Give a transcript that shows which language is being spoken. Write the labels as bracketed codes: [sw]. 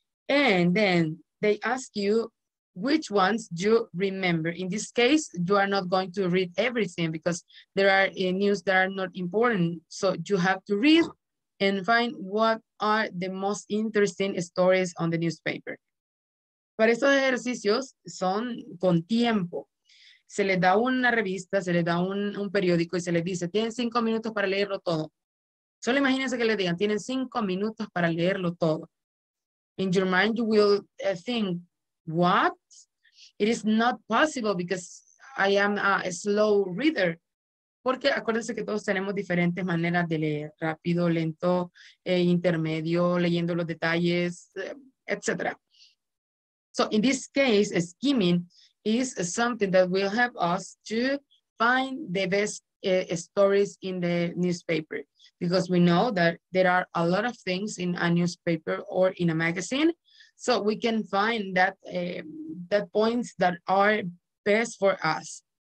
[en] And then they ask you, which ones do you remember? In this case, you are not going to read everything because there are news that are not important. So you have to read and find what are the most interesting stories on the newspaper. [es] Para estos ejercicios son con tiempo. Se les da una revista, se les da un periódico y se les dice, tienen 5 minutos para leerlo todo. Solo imagínense que les digan, tienen 5 minutos para leerlo todo. [en] In your mind, you will think, what? It is not possible because I am a slow reader. [es] Porque acuérdense que todos tenemos diferentes maneras de leer, rápido, lento, intermedio, leyendo los detalles, etc. [en] So in this case, skimming is something that will help us to find the best stories in the newspaper. Because we know that there are a lot of things in a newspaper or in a magazine. So we can find that that points that are best for us.